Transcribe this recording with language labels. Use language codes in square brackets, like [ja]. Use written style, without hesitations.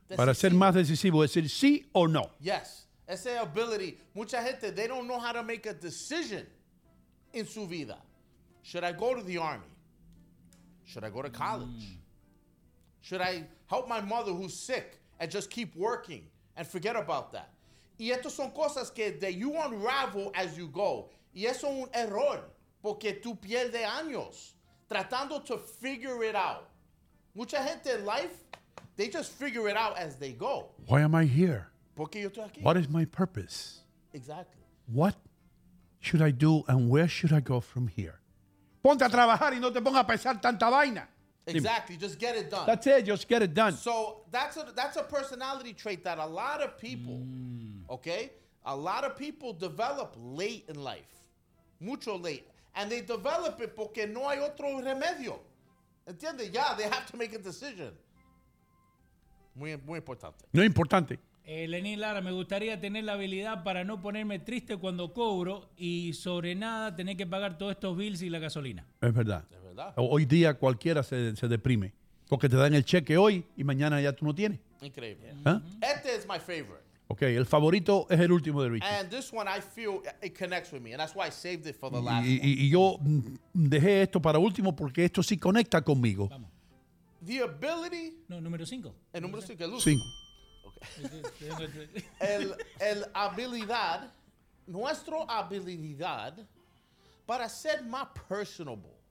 [es] Para ser más decisivo, es decir, sí o no. [en] Yes, esa ability. [es] Mucha gente, [en] they don't know how to make a decision in [es] su vida. [en] Should I go to the army? Should I go to college? Should I help my mother who's sick and just keep working and forget about that? [es] Y estas son cosas que [en] that you unravel as you go. [es] Y eso es un error porque tú pierdes años tratando [en] to figure it out. [es] Mucha gente [en] in life, they just figure it out as they go. Why am I here? [es] Porque yo estoy aquí. [en] What is my purpose? Exactly. What should I do and where should I go from here? [es] Ponte a trabajar y no te pongas a pensar tanta vaina. [en] Exactly. Just get it done. That's it. Just get it done. So that's a personality trait that a lot of people, okay? A lot of people develop late in life. [es] Mucho late. [en] And they develop it [es] porque no hay otro remedio. ¿Entiendes? [en] Yeah, they have to make a decision. [es] Muy, muy importante. Muy importante. Lenín Lara, me gustaría tener la habilidad para no ponerme triste cuando cobro y sobre nada tener que pagar todos estos bills y la gasolina. Es verdad. Es verdad. Hoy día cualquiera se deprime porque te dan el cheque hoy y mañana ya tú no tienes. Increíble. [en] Yeah. ¿Eh? [es] Este es mi favorito. Ok, el favorito es el último de Richie. [en] And this one I feel it connects with me, and that's why I saved it for the last. [es] Y yo dejé esto para último porque esto sí conecta conmigo. Vamos. [en] The ability. [es] No, número 5. El número 5, el 5. el habilidad, nuestra habilidad para ser más personable.